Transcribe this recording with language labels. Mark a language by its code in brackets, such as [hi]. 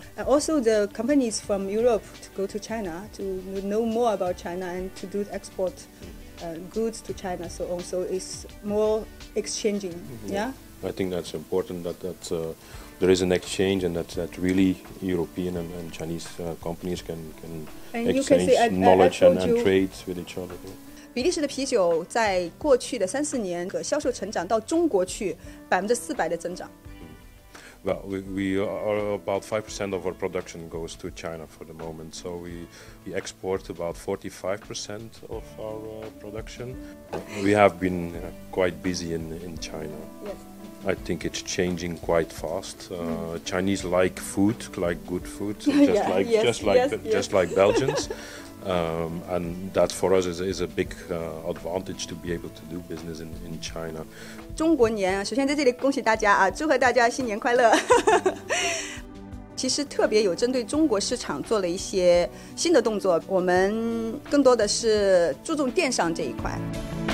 [en] Also the companies from Europe to go to China to know more about China and to do export goods to China. So also it's more exchanging. Mm-hmm. Yeah, I think that's important that there is an exchange and that really European and Chinese companies can and exchange you can see, knowledge and trades with each other. [zh] 比利时的啤酒在过去的三四年的销售成长到中国去400%的增长。 [en] Well, we are about 5% of our production goes to China for the moment. So we export about 45% of our production. We have been quite busy in China. Yes. I think it's changing quite fast. Chinese like food, like good food, just like Belgians. And that for us is a big advantage to be able to do business in China. [zh] 中国年，首先在这里恭喜大家啊，祝贺大家新年快乐。其实特别有针对中国市场做了一些新的动作，我们更多的是注重电商这一块。